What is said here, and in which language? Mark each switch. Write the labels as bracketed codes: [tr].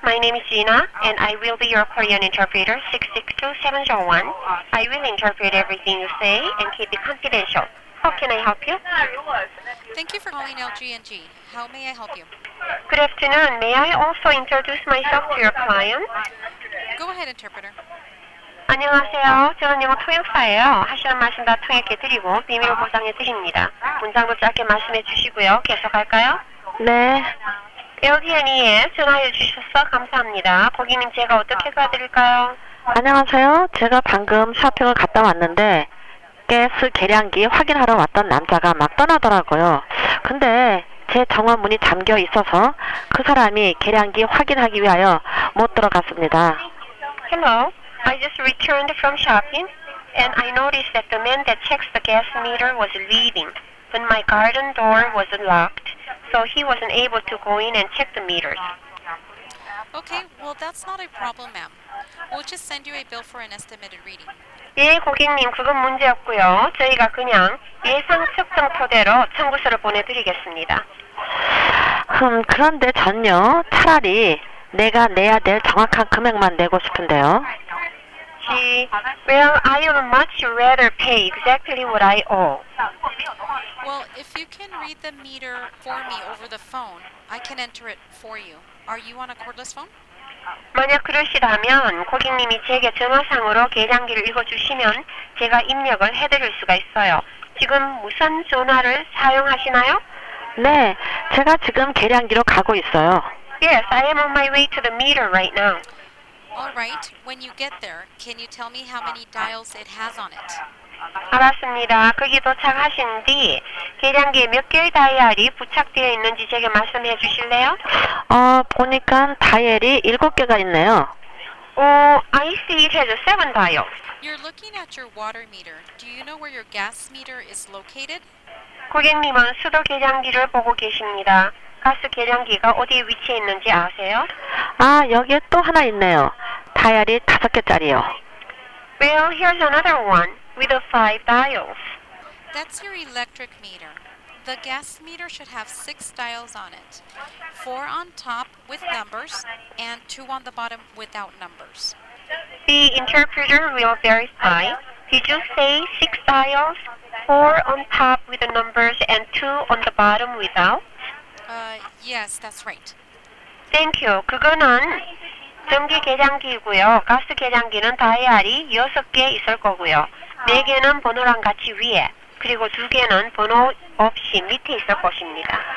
[en] My name is Gina, and I will be your Korean interpreter, 662-701. I will interpret everything you say and keep it confidential. How can I help you? Thank you for calling LG&G. How may I help you? Good afternoon. May I also introduce myself to your client? Go ahead, interpreter. [ko] 안녕하세요. 저는 영어 통역사예요. 하시는 말씀 다 통역해 드리고 비밀을 보장해 드립니다. 문장을 짧게 말씀해 주시고요. 계속할까요? 네. LG&E에 전화해 주셔서 감사합니다. 고객님, 제가 어떻게 도와드릴까요? 안녕하세요. 제가 방금 쇼핑을 갔다 왔는데 가스 계량기 확인하러 왔던 남자가 막 떠나더라고요. 근데 제 정원문이 잠겨 있어서 그 사람이 계량기 확인하기 위하여 못 들어갔습니다. [en] Hello. I just returned from shopping and I noticed that the man that checks the gas meter was leaving, but my garden door was locked. So he wasn't able to go in and check the meters. Okay, well that's not a problem, ma'am. We'll just send you a bill for an estimated reading. [ko] 예, 고객님, 그건 문제없고요. 저희가 그냥 예상 측정 토대로 청구서를 보내드리겠습니다. 그런데 전요, 차라리 내가 내야 될 정확한 금액만 내고 싶은데요. [en] Well, I would much rather pay exactly what I owe. Well, if you can read the meter for me over the phone, I can enter it for you. Are you on a cordless phone? [ko] 만약 그러시다면 고객님이 제게 전화상으로 계량기를 읽어주시면 제가 입력을 해드릴 수가 있어요. 지금 무선 전화를 사용하시나요? 네, 제가 지금 계량기로 가고 있어요. [en] Yes, I am on my way to the meter right now. All right, when you get there, can you tell me how many dials it has on it? [ko] 알았습니다. 거기 도착하신 뒤 계량기에 몇 개의 다이얼이 부착되어 있는지 제게 말씀해 주실래요? 보니까 다이얼이 7개가 있네요. [en] I see it has 7 dials. You're looking at your water meter. Do you know where your gas meter is located? [ko] 고객님은 수도 계량기를 보고 계십니다. 가스 계량기가 어디에 위치해 있는지 아세요? 아, 여기에 또 하나 있네요. 다이얼이 5개짜리요. [en] Well, here's another one with the 5 dials. That's your electric meter. The gas meter should have 6 dials on it. 4 on top with numbers and 2 on the bottom without numbers. The interpreter will verify. Did you say 6 dials? 4 on top with the numbers and 2 on the bottom without? Yes, that's right. Thank you. [ko] 그거는 전기 계량기이고요. 가스 계량기는 다이얼이 6개 있을 거고요. 4개는 번호랑 같이 위에, 그리고 2개는 번호 없이 밑에 있을 것입니다.